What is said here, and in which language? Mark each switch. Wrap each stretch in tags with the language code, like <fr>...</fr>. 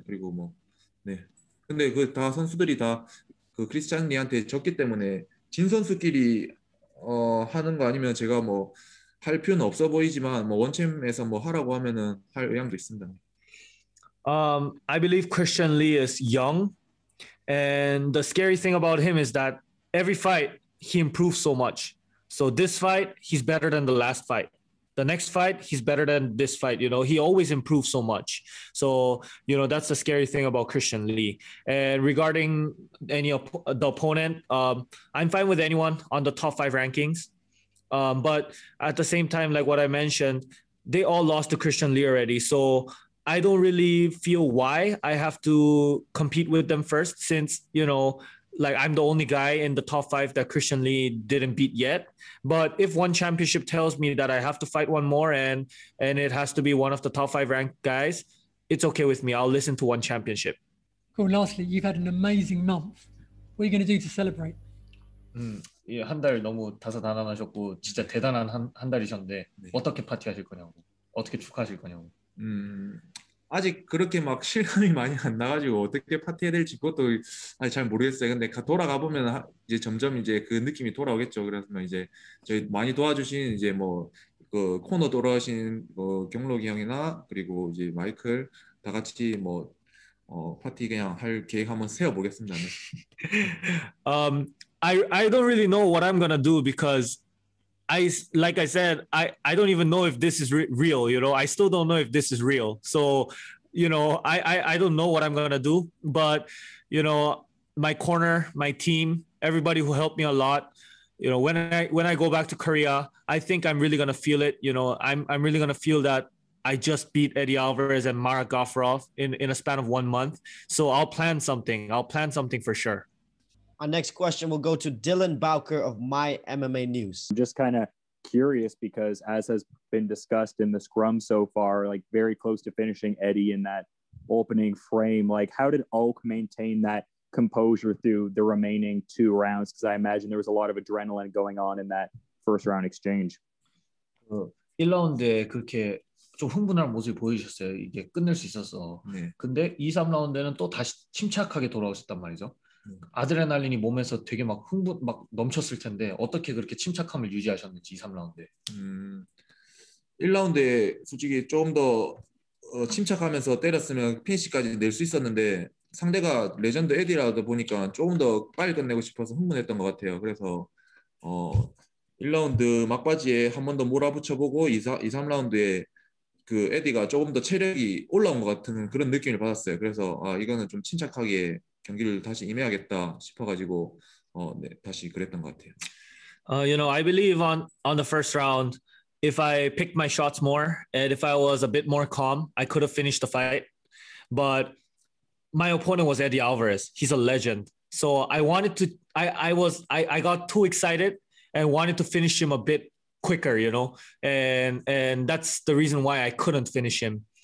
<ko>그리고 뭐 네. 근데 그 다 선수들이 다 그 크리스찬 리한테 졌기 때문에 진 선수끼리 하는 거 아니면 제가 뭐 할 필요는 없어 보이지만 뭐 원챔에서 뭐 하라고 하면은 할 의향도 있습니다.</ko> <en>I believe Christian Lee is young. And the scary thing about him is that every fight, he improves so much. So this fight, he's better than the last fight. The next fight, he's better than this fight. You know, he always improves so much. So, you know, that's the scary thing about Christian Lee. And regarding the opponent, I'm fine with anyone on the top five rankings. But at the same time, like what I mentioned, they all lost to Christian Lee already. So I don't really feel why I have to compete with them first since, you know, like I'm the only guy in the top five that Christian Lee didn't beat yet. But if one championship tells me that I have to fight one more and it has to be one of the top five ranked guys, it's okay with me. I'll listen to one championship. Cool. Lastly, you've had an amazing month. What are you going to do to celebrate?</en> <ko>예, 한 달 너무 다사다난하셨고 진짜 대단한 한 달이셨는데 네. 어떻게 파티하실 거냐고, 어떻게 축하하실 거냐고. 아직 그렇게 막 실감이 많이 안 나가지고 어떻게 파티해야 될지 그것도 아직 잘 모르겠어요. 근데 돌아가 보면 이제 점점 이제 그 느낌이 돌아오겠죠. 그래서 이제 저희 많이 도와주신 이제 뭐 그 코너 돌아오신 뭐 경록이 형이나 그리고 이제 마이클 다 같이 뭐 파티 그냥 할 계획 한번 세워보겠습니다.</ko> <en>I don't really know what I'm going to do because I, like I said, I don't even know if this is real, you know, I still don't know if this is real. So, you know, I don't know what I'm going to do, but you know, my corner, my team, everybody who helped me a lot, you know, when I go back to Korea, I think I'm really going to feel it. You know, I'm really going to feel that I just beat Eddie Alvarez and Mara Gafarov in a span of 1 month. So I'll plan something for sure. Our next question will go to Dylan Bowker of My MMA News. I'm just kind of curious because, as has been discussed in the scrum so far, like very close to finishing Eddie in that opening frame, like how did Oak maintain that composure through the remaining two rounds? Because I imagine there was a lot of adrenaline going on in that first round exchange.</en> <ko>1라운드에 그렇게 좀 흥분한 모습이 보이셨어요. 이게 끝낼 수 있어서. 네. 근데 2, 3라운드는 또 다시 침착하게 돌아오셨단 말이죠. 아드레날린이 몸에서 되게 막 흥분 막 넘쳤을 텐데 어떻게 그렇게 침착함을 유지하셨는지 2, 3라운드에. 1라운드에 솔직히 조금 더 침착하면서 때렸으면 피니시까지 낼 수 있었는데 상대가 레전드 에디라도 보니까 조금 더 빨리 끝내고 싶어서 흥분했던 것 같아요. 그래서 1라운드 막바지에 한 번 더 몰아붙여보고 2, 3라운드에 그 에디가 조금 더 체력이 올라온 것 같은 그런 느낌을 받았어요. 그래서 아 이거는 좀 침착하게 경기를 다시 임해야겠다 싶어가지고 네, 다시 그랬던 것 같아요.</ko> <en>You know, I believe on the first round, if I picked my shots more and if I was a bit more calm, I could have finished the fight. But my opponent was Eddie Alvarez. He's a legend. So I wanted to. I got too excited and wanted to finish him a bit quicker, you know, and that's the reason why I couldn't finish him.</en>